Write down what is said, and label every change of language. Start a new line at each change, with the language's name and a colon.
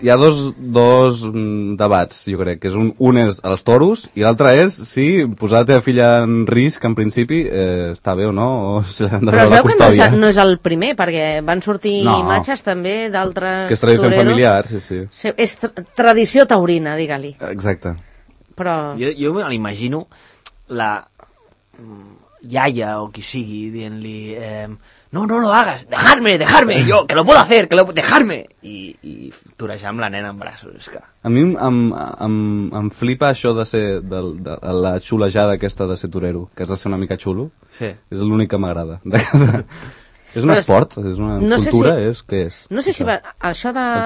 Catalan: Hi ha dos debats, jo crec, que és un és els toros i l'altre és si posar la teva filla en risc, en principi, està bé o no, o si l'han de però veure la custòdia. Però no és el primer, perquè van sortir imatges també d'altres toreros. Que és tradició familiar, sí. És tradició taurina, digue-li. Exacte. Però... Jo me l'imagino la iaia o qui sigui dient-li
Spanish: no lo hagas, dejarme, yo, que lo puedo hacer, dejarme.
Catalan: I torejar amb la nena en braços, és que... A mi em flipa això de ser, de la xulejada aquesta de ser torero, que has de ser una mica xulo. Sí. És l'únic que m'agrada. És un esport, és una cultura, és què és? No sé si va... Això de...